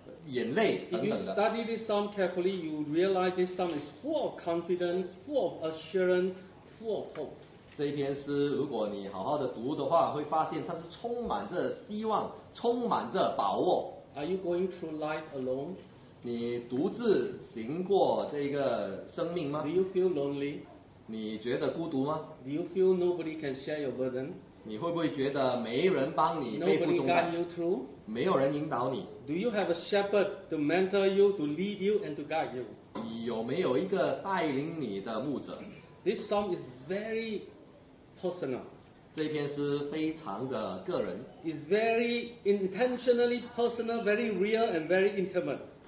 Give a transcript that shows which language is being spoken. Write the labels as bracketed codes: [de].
[en] If you study this psalm carefully, you realize this psalm is full of confidence, full of assurance, full of hope. [zh] 这篇诗，如果你好好的读的话，会发现它是充满着希望，充满着把握。 [en] Are you going through life alone? [zh] 你独自行过这个生命吗？ [en] Do you feel lonely? [zh] 你觉得孤独吗？ [en] Do you feel nobody can share your burden? [zh] 你会不会觉得没人帮你背负重担？ [en] Nobody guide you through? [zh] 没有人引导你？ [en] Do you have a shepherd to mentor you, to lead you, and to guide you? [zh] 你有没有一个带领你的牧者？ [en] This psalm is very personal. [zh] 这篇诗非常的个人。 [en] It's very intentionally personal, very real, and very intimate.